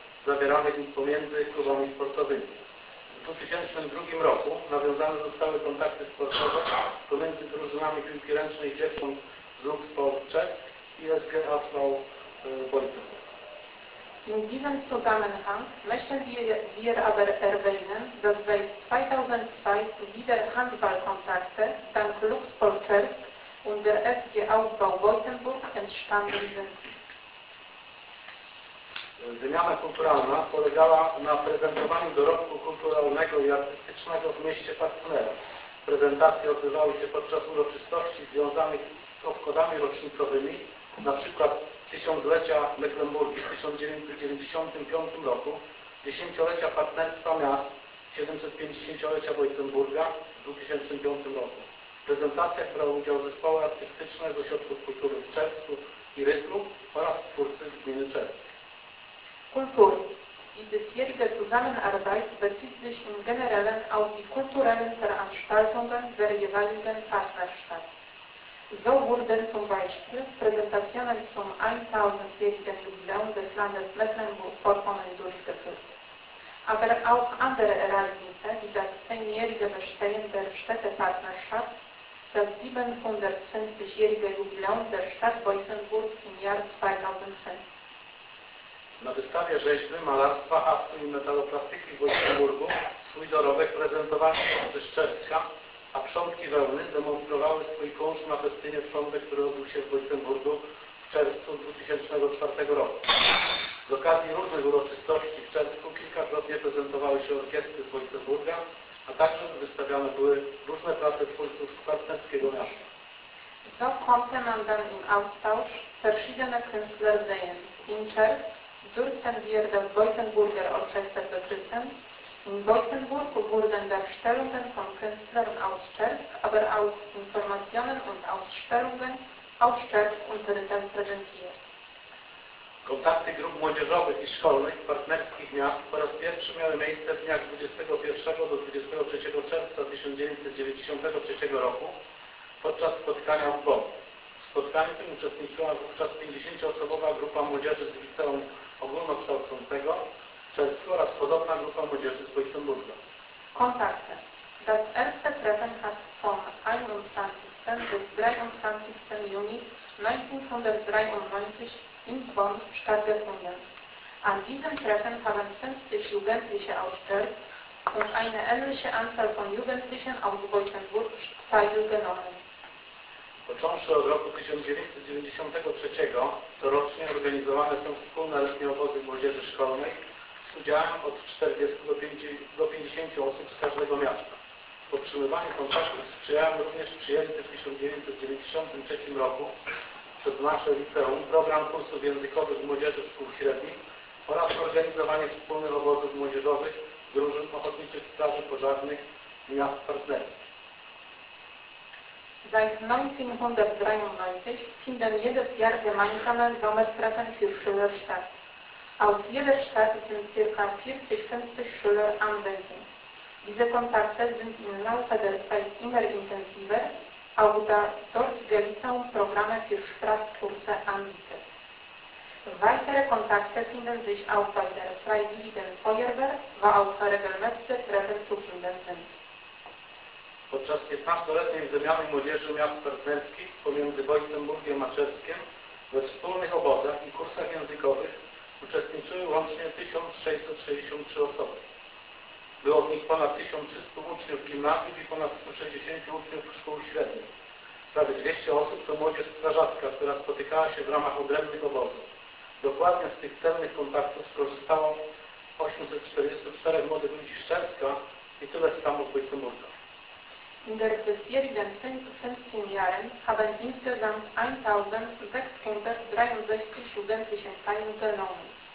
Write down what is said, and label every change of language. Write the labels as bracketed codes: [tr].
[pl] zawieranych już pomiędzy klubami sportowymi. W 2002 roku nawiązane zostały kontakty sportowe pomiędzy drużynami piłki ręcznej dziewcząt z Lux Sport Czech i SG Aspał Wolfsburg. [de] Jungiven zu Gammenham möchten wir aber erwähnen, dass seit 2002 wieder Handballkontakte dank Lux Sport Czech und der SG Aufbau Wolfsburg entstanden sind. [pl] Wymiana kulturalna polegała na prezentowaniu dorobku kulturalnego i artystycznego w mieście partnera. Prezentacje odbywały się podczas uroczystości związanych z obchodami rocznicowymi, na przykład tysiąclecia Mecklenburgii w 1995 roku, dziesięciolecia partnerstwa miast, 750-lecia Wolfsburga w 2005 roku. Prezentacja brała udział zespoły artystyczne z ośrodków kultury w Czerwcu i Rytmu oraz twórcy z gminy Czerwcu. [de] Kultur. Die bisherige Zusammenarbeit bezieht sich im Generellen auf die kulturellen Veranstaltungen der jeweiligen Partnerstadt. So wurden zum Beispiel Präsentationen zum 1000-jährigen Jubiläum des Landes Mecklenburg-Vorpommern durchgeführt. Aber auch andere Ereignisse, wie das 10-jährige Bestehen der Städtepartnerschaft, das 750-jährige Jubiläum der Stadt Wolfsburg im Jahr 2005. [pl] Na wystawie rzeźby, malarstwa, haftu i metaloplastyki w Wolfsburgu swój dorobek prezentowali chłopcy z Czerwca, a przodki wełny demonstrowały swój kunszt na festynie przodek, który odbył się w Wolfsburgu w czerwcu 2004 roku. Z okazji różnych uroczystości w czerwcu kilkakrotnie prezentowały się orkiestry z Wolfsburga, a także wystawiane były różne prace twórców z partnerskiego miasta. [de] So konnte man dann im Austausch verschiedene Künstler sehen. In Czerw durften wir das Wolfsburger Orchester betreten. In Wolfsburg wurden Darstellungen von Künstlern aus Czerw, aber auch Informationen und Ausstellungen aus Czerw unter dem präsentiert. [pl] Kontakty grup młodzieżowych i szkolnych partnerskich miast po raz pierwszy miały miejsce w dniach 21 do 23 czerwca 1993 roku podczas spotkania w BOM. W spotkaniu tym uczestniczyła wówczas 50-osobowa grupa młodzieży z liceum ogólnokształcącego Czerwcu oraz podobna grupa młodzieży z Wolfsburga. [de] Kontakte. Das erste Treffen hat vom 21. bis 23. Juni 1993 in Bonn stattgefunden. An diesem Treffen haben 50 Jugendliche aus Czerw und eine ähnliche Anzahl von Jugendlichen aus Wolfsburg teilgenommen. [pl] Począwszy od roku 1993, corocznie organizowane są wspólne letnie obozy młodzieży szkolnej z udziałem od 40 do 50 osób z każdego miasta. Podtrzymywanie kontaktów sprzyjałem również przyjęty w 1993 roku przez nasze liceum program kursów językowych młodzieży szkół średnich oraz organizowanie wspólnych obozów młodzieżowych drużyn ochotniczych straży pożarnych miast partnerskich. [de] Seit 1993 finden jedes Jahr gemeinsame Sommertreffen für Schüler statt. Aus jeder Stadt sind ca. 40-50 Schüler anwesend. Diese Kontakte sind im Laufe der Zeit immer intensiver, auch da dortige Liceum Programme für Sprachkurse anbietet. Weitere Kontakte finden sich auch bei der Freiwilligen Feuerwehr, wo auch regelmäßige Treffen zu finden sind. [pl] Podczas 15-letniej wymiany młodzieży miast partnerskich pomiędzy Wolfsburgiem a Czerwcem we wspólnych obozach i kursach językowych uczestniczyły łącznie 1663 osoby. Było w nich ponad 1300 uczniów gimnazjów i ponad 160 uczniów szkół średnich. Prawie 200 osób to młodzież strażacka, która spotykała się w ramach odrębnych obozów. Dokładnie z tych cennych kontaktów skorzystało 844 młodych ludzi z Czerwca i tyle samo z Wolfsburga. [de] In den bisherigen 15 Jahren haben insgesamt 1663 Jugendliche teilgenommen.